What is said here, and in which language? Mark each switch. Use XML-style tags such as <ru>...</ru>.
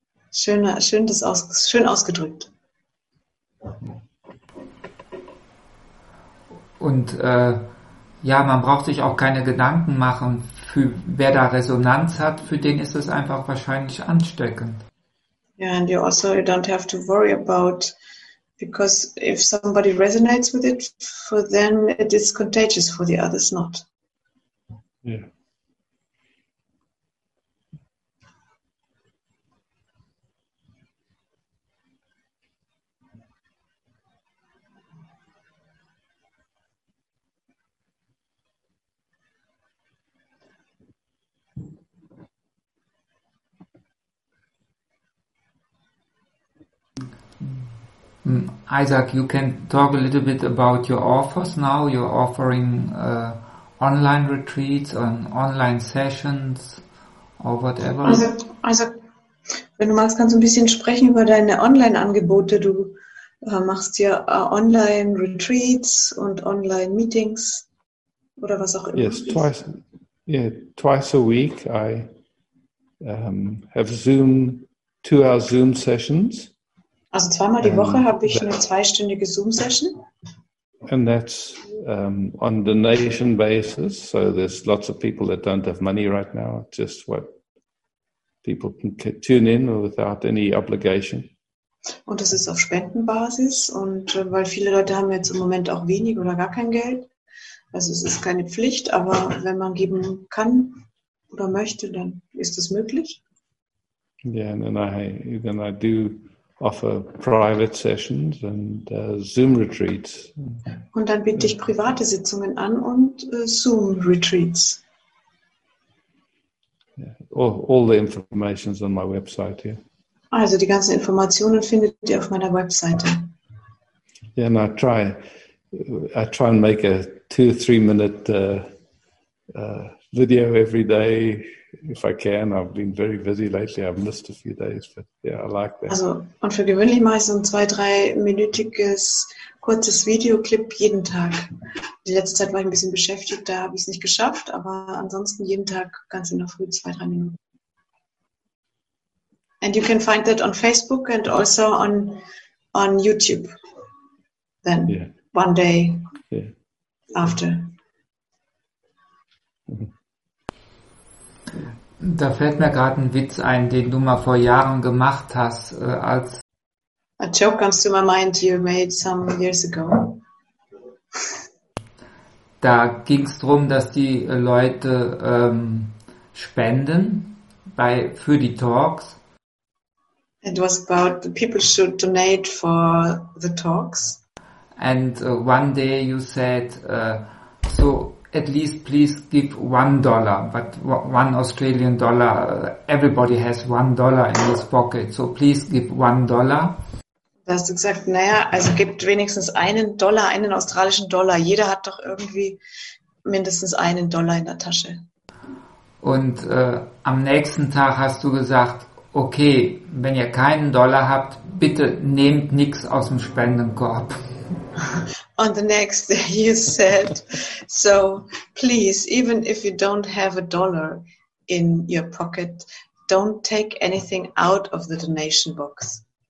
<de>Schön ausgedrückt. Und ja, man braucht sich auch keine Gedanken machen, für wer da Resonanz hat, für den ist es einfach wahrscheinlich ansteckend.</de> <en>Yeah, and you also don't have to worry about, because if somebody resonates with it, for them it is contagious, for the others not. Yeah. Isaac, you can talk a little bit about your offers now. You're offering online retreats and online sessions or whatever.</en> <de>Also, wenn du magst, kannst du ein bisschen sprechen über deine Online-Angebote. Du machst ja online Retreats und online Meetings oder was auch immer.</de> <en>Yes, twice a week I have Zoom, 2-hour Zoom sessions.</en> <de>Also zweimal die Woche habe ich eine zweistündige Zoom-Session.</de> <en>And that's on donation basis, so there's lots of people that don't have money right now, just what people can tune in without any obligation.</en> <de>Und das ist auf Spendenbasis, und weil viele Leute haben jetzt im Moment auch wenig oder gar kein Geld, also es ist keine Pflicht, aber wenn man geben kann oder möchte, dann ist das möglich.</de> <en>Yeah, and then I do offer private sessions and Zoom retreats.</en> <de>Und dann biete ich private Sitzungen an und Zoom retreats.</de> <en>Yeah. All the information is on my website here.</en> <de>Also die ganzen Informationen findet ihr auf meiner Webseite.</de> <en>Yeah, and I try and make a 2-3 minute video every day. If I can, I've been very busy lately. I've missed a few days, but yeah, I like that.</en> <de>Also, und für gewöhnlich mache ich so ein 2-3-minütiges kurzes Videoclip jeden Tag. Die letzte Zeit war ich ein bisschen beschäftigt, da habe ich es nicht geschafft, aber ansonsten jeden Tag ganz in der Früh 2-3 Minuten.</de> <en>And you can find that on Facebook and also on YouTube. Then, yeah. One day after.</en> <de>Da fällt mir gerade ein Witz ein, den du mal vor Jahren gemacht hast, als</de> <en>A joke comes to my mind you made some years ago.</en> <de>Da ging es darum, dass die Leute spenden für die Talks.</de> <en>It was about the people should donate for the talks. And one day you said, so at least please give $1, but $1 Australian dollar, everybody has $1 in his pocket, so please give $1.</en> <de>Du hast gesagt, naja, also gibt wenigstens einen australischen Dollar. Jeder hat doch irgendwie mindestens einen Dollar in der Tasche. Und am nächsten Tag hast du gesagt, okay, wenn ihr keinen Dollar habt, bitte nehmt nichts aus dem Spendenkorb.</de> <en>On the next day you said, so please, even if you don't have a dollar in your pocket, don't take anything out of the donation box.</en>